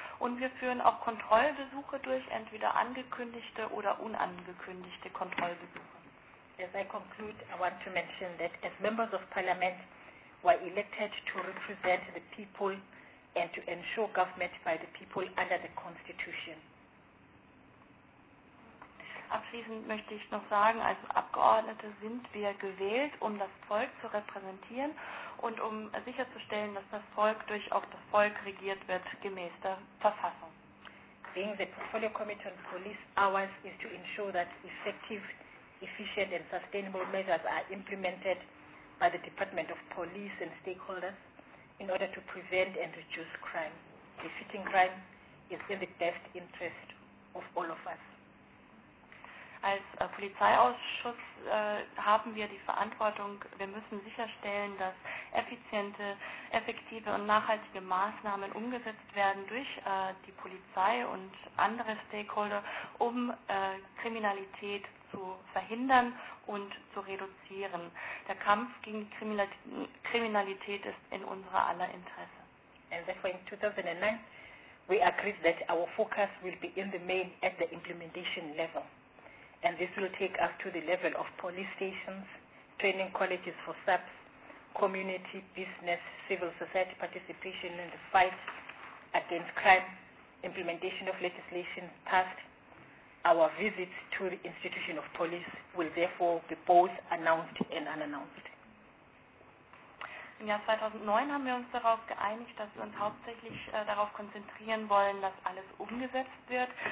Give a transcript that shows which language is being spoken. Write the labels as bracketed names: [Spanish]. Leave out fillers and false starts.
[German] Und wir führen auch Kontrollbesuche durch, entweder angekündigte oder unangekündigte Kontrollbesuche. [English] As I conclude, I want to mention that as members of parliament were elected to represent the people and to ensure government by the people under the constitution. [German] Abschließend möchte ich noch sagen, als Abgeordnete sind wir gewählt, um das Volk zu repräsentieren und um sicherzustellen, dass das Volk durch auch das Volk regiert wird, gemäß der Verfassung. [English] Being the Portfolio Committee on Police, ours is to ensure that effective, efficient and sustainable measures are implemented by the Department of Police and stakeholders in order to prevent and reduce crime. Defeating crime is in the best interest of all of us. [German] Als Polizeiausschuss haben wir die Verantwortung, wir müssen sicherstellen, dass effiziente, effektive und nachhaltige Maßnahmen umgesetzt werden durch die Polizei und andere Stakeholder, um Kriminalität zu verhindern und zu reduzieren. Der Kampf gegen Kriminalität ist in unserer aller Interesse. [English] And therefore in 2009, we agreed that our focus will be in the main at the implementation level. And this will take us to the level of police stations, training colleges for subs, community, business, civil society participation in the fight against crime, implementation of legislation passed, our visits to the institution of police will therefore be both announced and unannounced. [German] Im Jahr 2009 haben wir uns darauf geeinigt, dass wir uns hauptsächlich darauf konzentrieren wollen, dass alles umgesetzt wird.